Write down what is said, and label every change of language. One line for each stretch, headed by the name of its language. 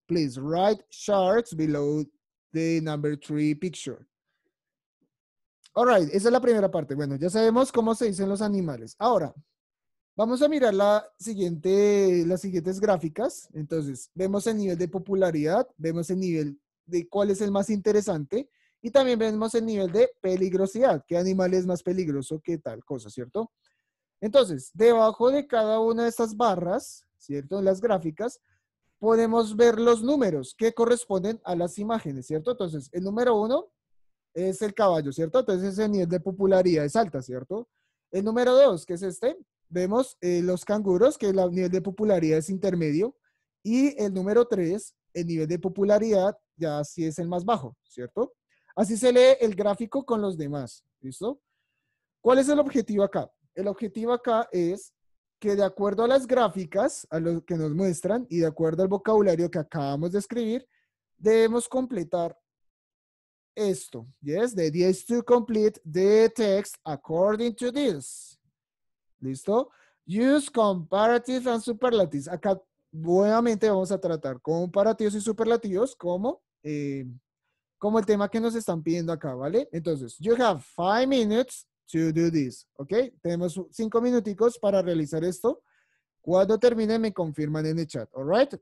English: Please write sharks below the number three picture. All right.
Spanish: Esa es la primera parte. Bueno, ya sabemos cómo se dicen los animales. Ahora. Vamos a mirar las siguientes gráficas. Entonces, vemos el nivel de popularidad, vemos el nivel de cuál es el más interesante y también vemos el nivel de peligrosidad, qué animal es más peligroso, qué tal cosa, ¿cierto? Entonces, debajo de cada una de estas barras, ¿cierto? Las gráficas, podemos ver los números que corresponden a las imágenes, ¿cierto? Entonces, el número uno es el caballo, ¿cierto? Entonces, ese nivel de popularidad es alta, ¿cierto? El número dos, que es este, vemos los canguros, que el nivel de popularidad es intermedio. Y el número 3, el nivel de popularidad ya sí es el más bajo, ¿cierto? Así se lee el gráfico con los demás, ¿listo? ¿Cuál es el objetivo acá? El objetivo acá es que de acuerdo a las gráficas, a lo que nos muestran, y de acuerdo al vocabulario que acabamos de escribir, debemos completar esto.
English: Yes, the idea is to complete the text according to this. ¿Listo? Use comparatives and superlatives.
Spanish: Acá nuevamente vamos a tratar comparativos y superlativos como el tema que nos están pidiendo acá, ¿vale?
English: Entonces, you have 5 minutes to do this, ¿ok?
Spanish: Tenemos 5 minuticos para realizar esto. Cuando termine, me confirman en el chat,
English: ¿all right?